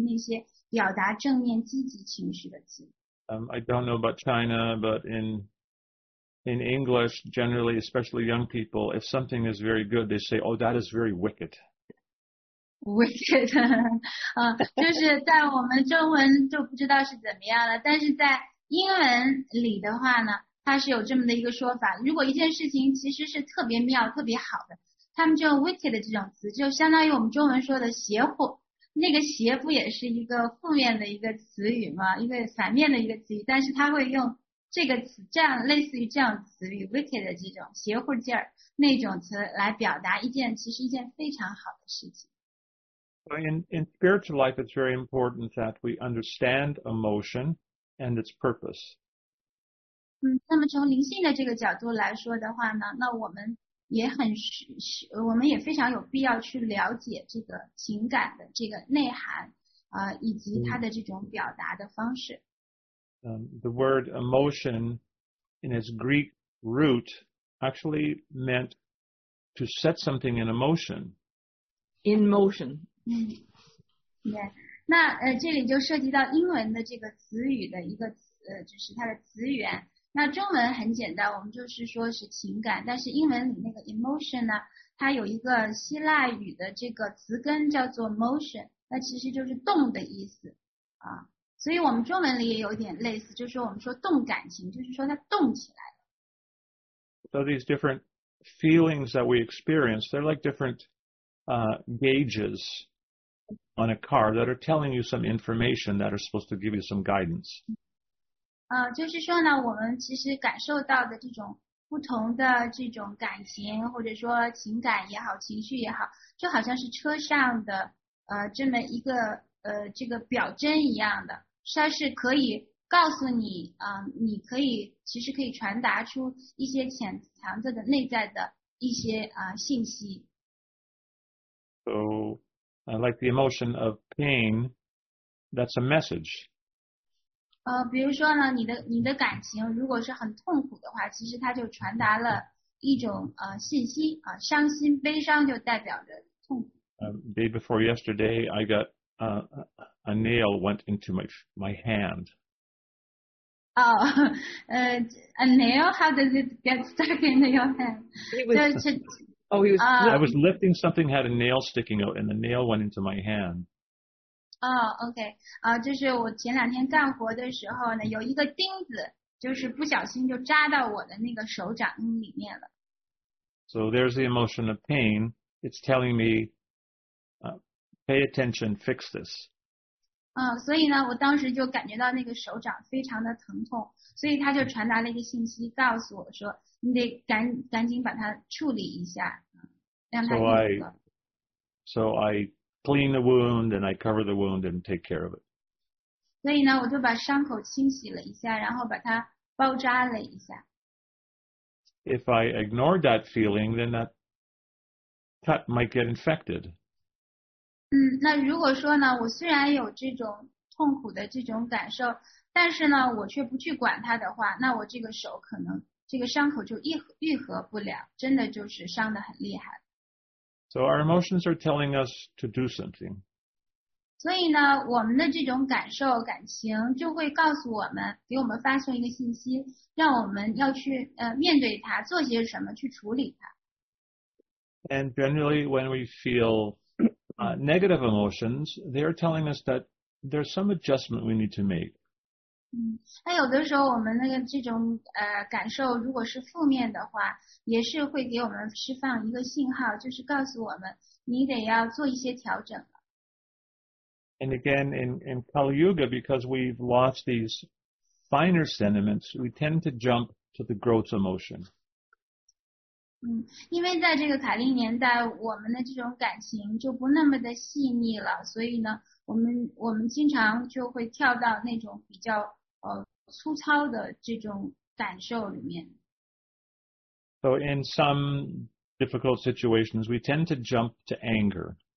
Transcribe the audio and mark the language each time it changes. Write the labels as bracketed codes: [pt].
[zh] 就是那种发泄负面情绪的，描述负面情绪的那些词语，要使用的这个频率要远远的高于那些表达正面积极情绪的词。 [en] I don't know about China, but in English, generally, especially young people, if something is very good, they say, oh, that is very wicked. Wicked. [zh] 就是在我们中文就不知道是怎么样了，但是在英文里的话呢，它是有这么的一个说法。如果一件事情其实是特别妙、特别好的，他们就用wicked的这种词，就相当于我们中文说的邪乎。那个邪不也是一个负面的一个词语吗？一个反面的一个词语，但是他会用这个词，这样类似于这样词语，wicked的这种邪乎劲儿那种词来表达一件其实一件非常好的事情。 [en] So in spiritual life, it's very important that we understand emotion and its purpose. [zh] 那么从灵性的这个角度来说的话呢，那我们也很我们也非常有必要去了解这个情感的这个内涵以及它的这种表达的方式。 [en] The word emotion in its Greek root actually meant to set something in emotion. In motion. Yeah. [zh] 那这里就涉及到英文的这个词语的一个就是它的词源。那中文很简单，我们就是说是情感，但是英文里那个 emotion 呢，它有一个希腊语的这个词根叫做 motion， 那其实就是动的意思啊。所以我们中文里也有点类似，就是说我们说动感情，就是说它动起来了。 [en] So these different feelings that we experience, they're like different gauges on a car that are telling you some information that are supposed to give you some guidance. [zh] 就是说呢，我们其实感受到的这种不同的这种感情，或者说情感也好，情绪也好，就好像是车上的这么一个这个表针一样的，它是可以告诉你你可以其实可以传达出一些潜藏着的内在的一些信息。 [en] So, like the emotion of pain, that's a message. [zh] 比如说呢，你的感情如果是很痛苦的话，其实它就传达了一种信息啊，伤心、悲伤就代表着痛苦。 [en] Day before yesterday, I got a nail went into my hand. Oh, a nail? How does it get stuck in your hand? I was lifting something, had a nail sticking out, and the nail went into my hand. Oh, okay. [zh] 就是我前两天干活的时候呢，有一个钉子，就是不小心就扎到我的那个手掌里面了。 [en] So there's the emotion of pain. It's telling me, pay attention, fix this. [zh] 所以呢，我当时就感觉到那个手掌非常的疼痛，所以他就传达了一个信息，告诉我说，你得赶紧把它处理一下，让它愈合。 [en] So I clean the wound and I cover the wound and take care of it. [zh] 所以呢，我就把伤口清洗了一下，然后把它包扎了一下。 [en] If I ignored that feeling, then that cut might get infected. [zh] 那如果说呢，我虽然有这种痛苦的这种感受，但是呢，我却不去管它的话，那我这个手可能这个伤口就愈合不了，真的就是伤得很厉害。 [en] So our emotions are telling us to do something. [zh] 所以呢，我们的这种感受、感情就会告诉我们，给我们发送一个信息，让我们要去面对它，做些什么去处理它。 [en] And generally, when we feel negative emotions, they are telling us that there's some adjustment we need to make. [zh] 那有的时候我们那个这种感受如果是负面的话，也是会给我们释放一个信号，就是告诉我们你得要做一些调整了。 [en] And again, in Kali Yuga, because we've lost these finer sentiments, we tend to jump to the gross emotion. [zh] 因为在这个卡利年代，我们的这种感情就不那么的细腻了，所以呢，我们经常就会跳到那种比较粗糙的这种感受里面。 [en] So in some difficult situations, we tend to jump to anger.